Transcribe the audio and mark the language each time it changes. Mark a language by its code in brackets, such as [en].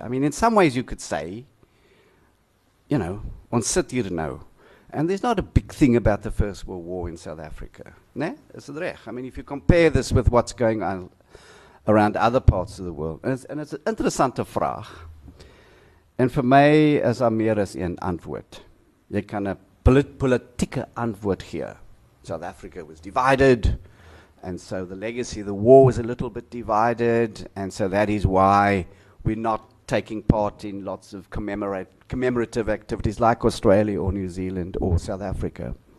[en] I mean, in some ways you could say, you know, [af] ons sit hier nou. [en] And there's not a big thing about the First World War in South Africa. Né? Is it reg? I mean, if you compare this with what's going on around other parts of the world, and it's an [af] interessante vraag. [en] And for me, as I'm here, is an antwoord. [af] Jy kan 'n politieke antwoord gee. [en] South Africa was divided, and so the legacy of the war was a little bit divided, and so that is why we're not taking part in lots of commemorative activities like Australia or New Zealand or South Africa.